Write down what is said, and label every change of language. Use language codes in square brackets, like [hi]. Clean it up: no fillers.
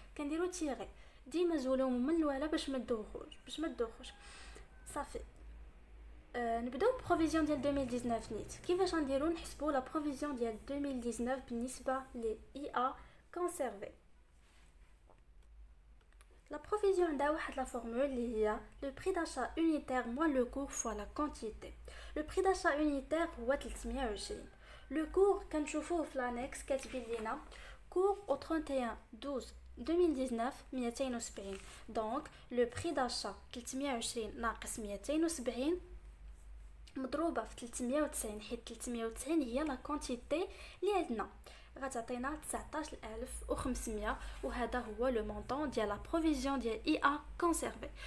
[ar] كنديروا تيغي ديما زولهم من الاول باش ما تدوخوش صافي. نبداو بروفيزيون ديال 2019 نيت. كيفاش غنديروا؟ نحسبوا لا بروفيزيون ديال 2019 بالنسبه لي اي ا كونسيرفي. [fr] La provision est la formule qui est le prix d'achat unitaire moins le cours fois la quantité. Le prix d'achat unitaire est 320. Le cours, quand je vous fais l'annexe, c'est le cours au 31-12-2019, 270. Donc, le prix d'achat [ar] 320 مضروبه في 390 حيت 390 هي لا كونتيتي اللي عندنا غتعطينا 19500 وهذا هو لو مونطون ديال لا بروفيزيون ديال اي ا كونسيرفي.